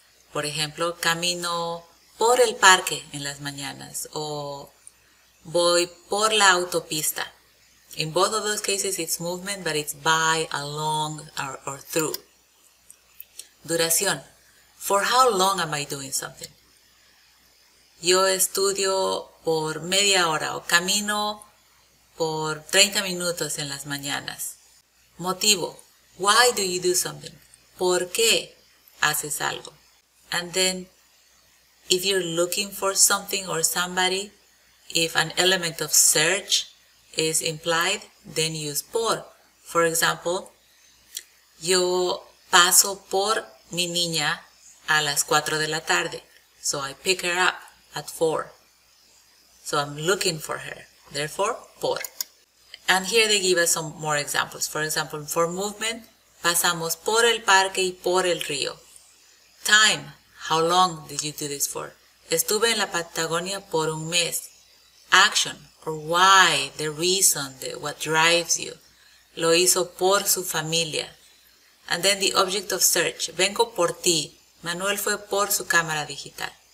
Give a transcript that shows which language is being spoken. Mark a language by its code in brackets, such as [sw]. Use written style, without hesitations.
[es] Por ejemplo, camino por el parque en las mañanas, o voy por la autopista. [en] In both of those cases, it's movement, but it's by, along, or through. Duración. For how long am I doing something? [es] Yo estudio por media hora o camino por 30 minutos en las mañanas. [en] Motivo. Why do you do something? [es] ¿Por qué haces algo? [en] And then, if you're looking for something or somebody, if an element of search is implied, then use por. For example, [es] yo paso por mi niña a las 4 de la tarde. [en] So I pick her up at 4. So I'm looking for her. Therefore, por. And here they give us some more examples. For example, for movement, [es] pasamos por el parque y por el río. [en] Time, how long did you do this for? [es] Estuve en la Patagonia por un mes. [en] Action, or why, the reason, what drives you. [es] Lo hizo por su familia. [en] And then the object of search. [es] Vengo por ti. Manuel fue por su cámara digital.